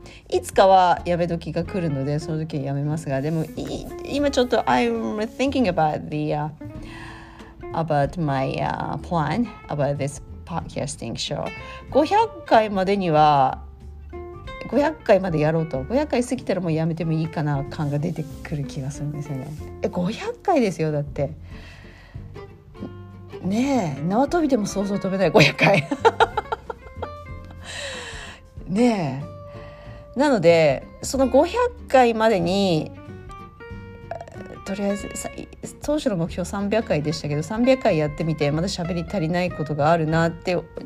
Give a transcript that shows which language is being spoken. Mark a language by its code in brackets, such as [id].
[ja] いつかはやめ時が来るので、その時やめますが、でも今ちょっと [en] I'm thinking about my plan about this podcasting show. [ja] 500回までやろうと、500回過ぎたらもうやめてもいいかな感が出てくる気がするんですよね。 500回ですよ、だってねえ、縄跳びでもそうそう飛べない500回ねえ、なのでその500回までに、とりあえず当初の目標300回でしたけど、300回やってみてまだ喋り足りないことがあるなって若